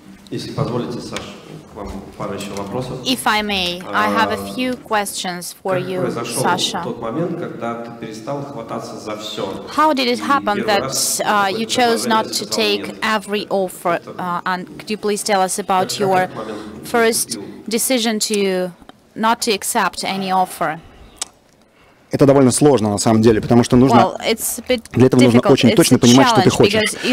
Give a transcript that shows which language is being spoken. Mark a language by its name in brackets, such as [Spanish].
[Russian] Если позволите, Саш, вам пару еще вопросов. [English] If I may, I have a few questions for you, Sasha. [Russian] Как произошел тот момент, когда ты перестал хвататься за все? [English] How did it happen that you chose not to take every offer? And could you please tell us about your first decision to not to accept any offer? [Russian] Это довольно сложно, на самом деле, потому что нужно для этого нужно очень точно понимать, что ты хочешь.